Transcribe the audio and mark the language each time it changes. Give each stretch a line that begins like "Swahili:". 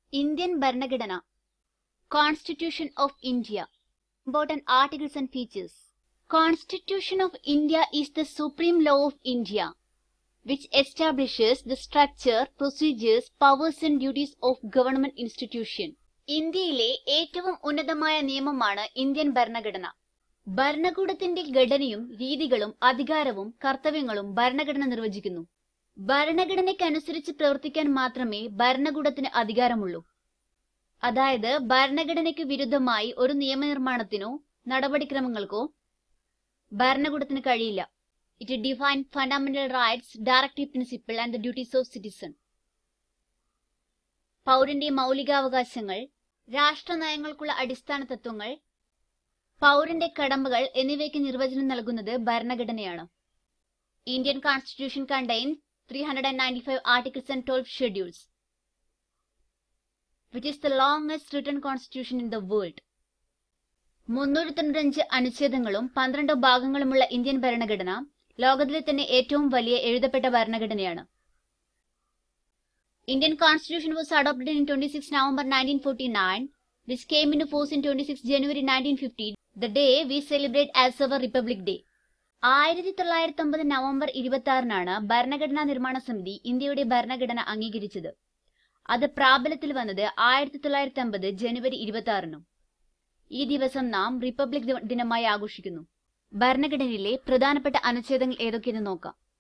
Malayalam: Indian ഭരണഘടന, constitution of India.
English: Important articles and features. Constitution of India is the supreme law of India, which establishes the structure, procedures, powers and duties of government institution.
Malayalam: ഇന്ത്യയിലെ ഏറ്റവും ഉന്നതമായ നിയമമാണ് Indian ഭരണഘടന. ഭരണകൂടത്തിന്റെ ഘടനയും രീതികളും അധികാരവും കർത്തവ്യങ്ങളും ഭരണഘടന നിർവചിക്കുന്നു. ഭരണഘടനയ്ക്കനുസരിച്ച് പ്രവർത്തിക്കാൻ മാത്രമേ ഭരണകൂടത്തിന് അധികാരമുള്ളൂ. അതായത് ഭരണഘടനയ്ക്ക് വിരുദ്ധമായി ഒരു നിയമനിർമ്മാണത്തിനോ നടപടിക്രമങ്ങൾക്കോ ഭരണകൂടത്തിന് കഴിയില്ല.
English: It define fundamental rights, directive principle and the duties of citizen.
Malayalam: പൗരന്റെ മൗലികാവകാശങ്ങൾ, രാഷ്ട്രനയങ്ങൾക്കുള്ള അടിസ്ഥാന തത്വങ്ങൾ, പൗരന്റെ കടമ്പകൾ എന്നിവയ്ക്ക് നിർവചനം നൽകുന്നത് ഭരണഘടനയാണ്.
English: Indian constitution contains 395 articles and 12 schedules, which is the longest written constitution in the world.
Malayalam: 395 അനുച്ഛേദങ്ങളും 12 ഭാഗങ്ങളുമുള്ള Indian ഭരണഘടന ലോകത്തിലെ തന്നെ ഏറ്റവും വലിയ എഴുതപ്പെട്ട ഭരണഘടനയാണ്.
English: Indian constitution was adopted in 26 November 1949, which came into force in 26 January 1950, the day we celebrate as our Republic Day.
Malayalam: 1950 November 26 ഭരണഘടനാ നിർമ്മാണ സമിതി ഇന്ത്യയുടെ ഭരണഘടന അംഗീകരിച്ചത്. അത് പ്രാബല്യത്തിൽ വന്നത് 1950 ജനുവരി 26. ഈ ദിവസം നാം റിപ്പബ്ലിക് ദിനമായി ആഘോഷിക്കുന്നു. ഭരണഘടനയിലെ പ്രധാനപ്പെട്ട അനുച്ഛേദങ്ങൾ ഏതൊക്കെയെന്ന് നോക്കാം.